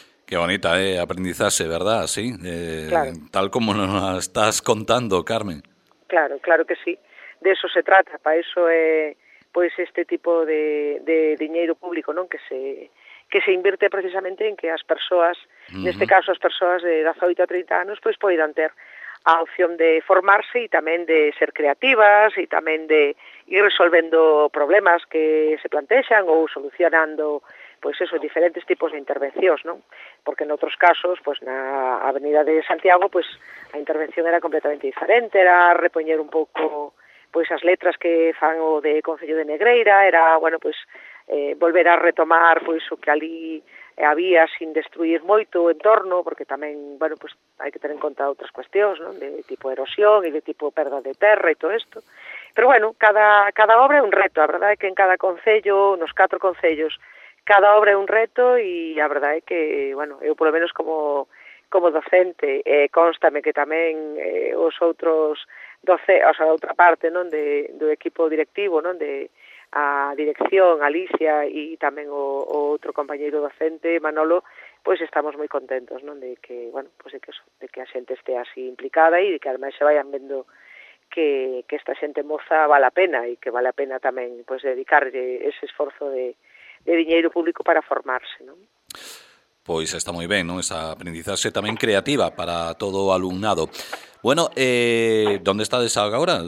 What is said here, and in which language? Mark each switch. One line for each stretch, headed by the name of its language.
Spanish: Qué bonita, aprendizaxe, ¿verdad? Sí, claro. Tal como nos estás contando, Carmen. Claro, claro que sí. De eso se trata, para eso pues este tipo de dinheiro público, ¿no? Que se invierte precisamente en que
Galician: as persoas, neste caso as persoas de 18 a 30 anos, pues poidan ter a opción de formarse e tamén de ser creativas e tamén de ir resolvendo problemas que se plantexan ou solucionando pues esos diferentes tipos de intervencións, ¿no? Porque en outros casos, pues na Avenida de Santiago, pues a intervención era completamente diferente, era repoñer un pouco pois as letras que fan o de Concello de Negreira, era, bueno, pois, volver a retomar pois o que ali había sin destruir moito o entorno, porque tamén, bueno, pois hai que ter en conta outras cuestións, non? De tipo erosión e de tipo perda de terra e todo isto. Pero bueno, cada obra é un reto, a verdade é que en cada concello, nos 4 concellos, cada obra é un reto e a verdade é que, bueno, eu polo menos como docente, constame que tamén os outros 12, o sea, a outra parte, non, do equipo directivo, non, de a dirección, Alicia e tamén o outro compañeiro docente, Manolo, pois estamos moi contentos, non, de que, bueno, pois de que a xente estea así implicada e de que además se vayan vendo que esta xente moza vale a pena e que vale a pena tamén pois dedicarlle ese esforzo de diñeiro público para formarse, non? Pois está moi ben, non, esa aprendizaxe tamén creativa para todo o alumnado.
Spanish: Bueno, ¿dónde está de Saga ahora?